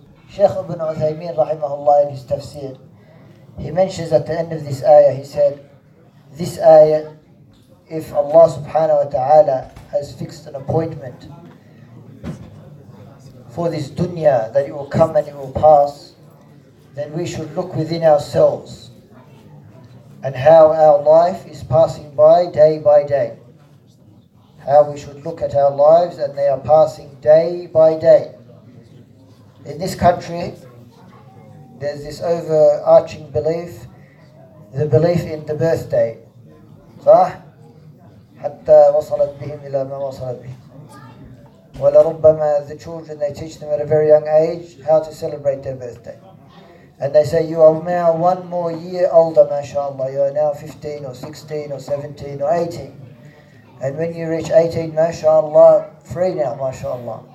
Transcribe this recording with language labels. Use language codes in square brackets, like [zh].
[en] Shaykh Ibn Uthaymeen rahimahullah in his tafsir, he mentions at the end of this ayah, he said, this ayah, if Allah subhanahu wa ta'ala has fixed an appointment for this dunya, that it will come and it will pass, then we should look within ourselves and how our life is passing by day, how we should look at our lives and they are passing day by day. In this country, there's this overarching belief, the belief in the birthday. [ar] صح؟ حتى وصلت بهم إلى ما وصلت بهم. ولربما [en] the children, they teach them at a very young age how to celebrate their birthday. And they say, you are now one more year older, mashallah. You are now 15 or 16 or 17 or 18. And when you reach 18, mashallah, free now, mashallah.